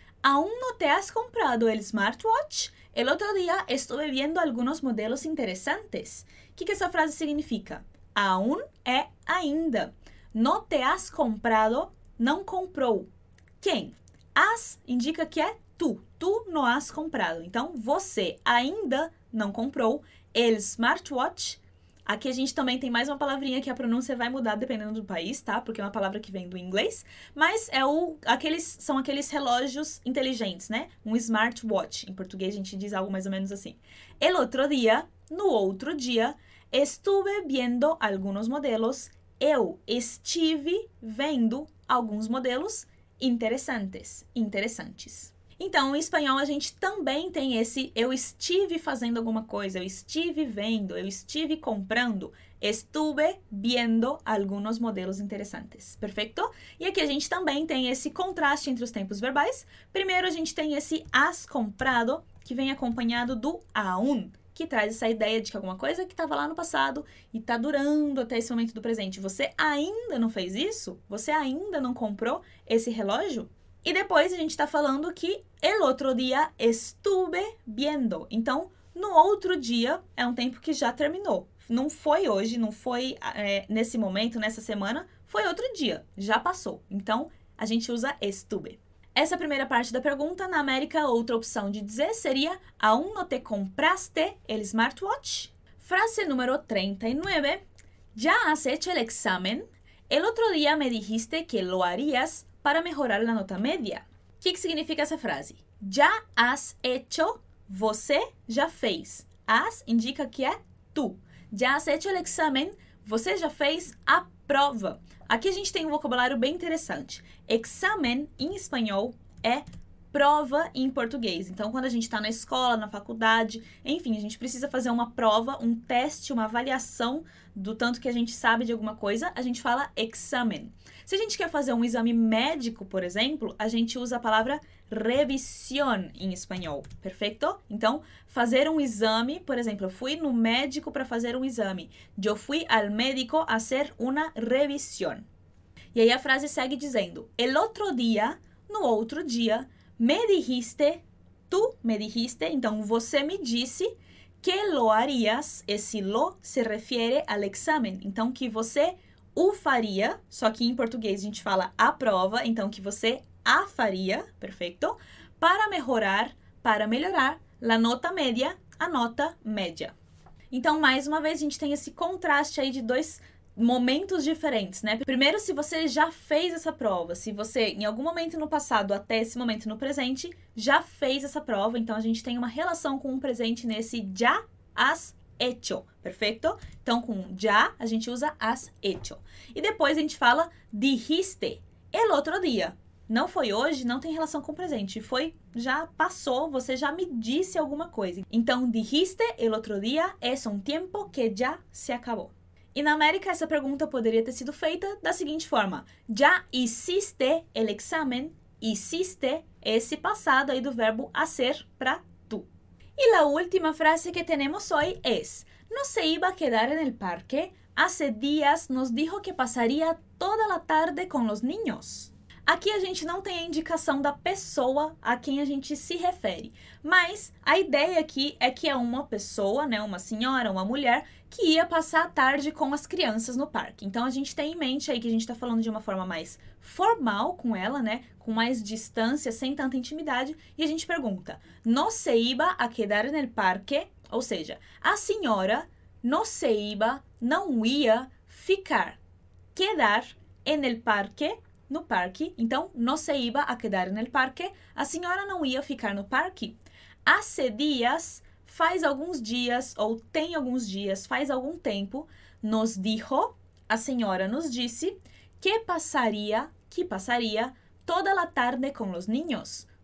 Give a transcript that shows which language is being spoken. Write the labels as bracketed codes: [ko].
[es] ¿Aún no te has comprado el smartwatch? El otro día estuve viendo algunos modelos interesantes. [pt] O que, que essa frase significa? Aún é ainda. [es] No te has comprado, [pt] não comprou. Quem? Has indica que é tu. [es] Tu no has comprado. [pt] Então, você ainda não comprou el smartwatch. Aqui a gente também tem mais uma palavrinha que a pronúncia vai mudar dependendo do país, tá? Porque é uma palavra que vem do inglês. Mas é são aqueles relógios inteligentes, né? Um smartwatch. Em português a gente diz algo mais ou menos assim. [es] El otro día, [pt] no outro dia, [es] estuve viendo algunos modelos. [pt] Eu estive vendo alguns modelos interessantes. Interessantes. Então, em espanhol, a gente também tem esse eu estive fazendo alguma coisa, eu estive vendo, eu estive comprando. [es] Estuve viendo algunos modelos interesantes. [pt] Perfeito? E aqui a gente também tem esse contraste entre os tempos verbais. Primeiro, a gente tem esse has comprado, que vem acompanhado do aún, que traz essa ideia de que alguma coisa que estava lá no passado e está durando até esse momento do presente. Você ainda não fez isso? Você ainda não comprou esse relógio? E depois a gente está falando que [es] el otro día estuve viendo. [pt] Então, no outro dia é um tempo que já terminou. Não foi hoje, não foi nesse momento, nessa semana. Foi outro dia, já passou. Então, a gente usa estuve. Essa primeira parte da pergunta, na América, outra opção de dizer seria [es] ¿Aún no te compraste el smartwatch? Frase número 39. ¿Ya has hecho el examen? El otro día me dijiste que lo harías para mejorar la nota media. [pt] O que, que significa essa frase? Já [es] has hecho, [pt] você já fez. Has indica que é tu. Já [es] has hecho el examen, [pt] você já fez a prova. Aqui a gente tem um vocabulário bem interessante. Examen, em espanhol, é prova em português. Então, quando a gente está na escola, na faculdade, enfim, a gente precisa fazer uma prova, um teste, uma avaliação do tanto que a gente sabe de alguma coisa, a gente fala examen. Se a gente quer fazer um exame médico, por exemplo, a gente usa a palavra revisión em espanhol, perfeito? Então, fazer um exame, por exemplo, eu fui no médico para fazer um exame. [es] Yo fui al médico a hacer una revisión. [pt] E aí a frase segue dizendo, el otro día, no outro dia, [es] me dijiste, [pt] tu me dijiste, então você me disse [es] que lo harías, [pt] esse lo se refere al examen, então que você o faria, só que em português a gente fala a prova, então que você a faria, perfeito, para melhorar, [es] la nota media, [pt] a nota média. Então, mais uma vez, a gente tem esse contraste aí de dois momentos diferentes, né? Primeiro, se você já fez essa prova, se você, em algum momento no passado até esse momento no presente, já fez essa prova, então a gente tem uma relação com o presente nesse já as hecho, perfeito? Então, com já, a gente usa has hecho. E depois a gente fala dijiste, [es] el otro día. [pt] Não foi hoje, não tem relação com o presente. Foi, já passou, você já me disse alguma coisa. [es] Então, dijiste, el otro día, es un tiempo que ya se acabó. [pt] E na América, essa pergunta poderia ter sido feita da seguinte forma. Já [es] hiciste el examen, [pt] hiciste esse passado aí do verbo hacer para tu. E a última frase que temos hoje é [es] ¿No se iba a quedar en el parque? Hace días nos dijo que pasaría toda la tarde con los niños. [pt] Aquí a gente não tem a indicação da pessoa a quem a gente se refere. Mas a ideia aqui é que é uma pessoa, né, uma senhora, uma mulher, que ia passar a tarde com as crianças no parque. Então a gente tem em mente aí que a gente está falando de uma forma mais formal com ela, né, com mais distância, sem tanta intimidade. E a gente pergunta, [es] ¿No se iba a quedar en el parque? [pt] Ou seja, a senhora, [es] ¿No se iba, [pt] não ia ficar, [es] quedar en el parque? [pt] No parque, então, [es] no se iba a quedar en el parque, [pt] a senhora não ia ficar no parque. [es] Hace días, [pt] faz alguns dias ou tem alguns dias, faz algum tempo, nos dijo, a senhora nos disse, que passaria [es] toda la tarde con los niños.